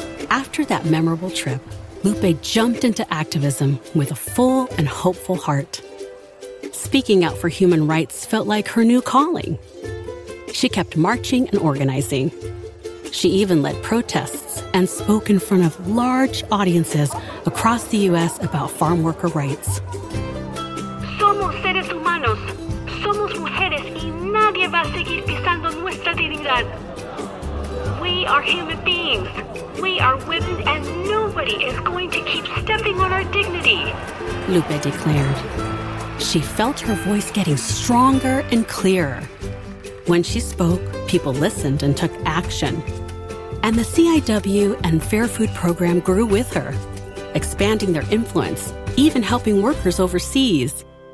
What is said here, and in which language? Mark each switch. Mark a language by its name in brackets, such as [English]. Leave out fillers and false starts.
[English] After that memorable trip, Lupe jumped into activism with a full and hopeful heart. Speaking out for human rights felt like her new calling. She kept marching and organizing. She even led protests and spoke in front of large audiences across the U.S. about farm worker rights. [Spanish] Somos seres humanos. Somos mujeres y nadie va a seguir pisando nuestra dignidad. [English] We are human beings. We are women and nobody is going to keep stepping on our dignity. Lupe declared. She felt her voice getting stronger and clearer. When she spoke, people listened and took action. And the CIW and Fair Food Program grew with her, expanding their influence, even helping workers overseas.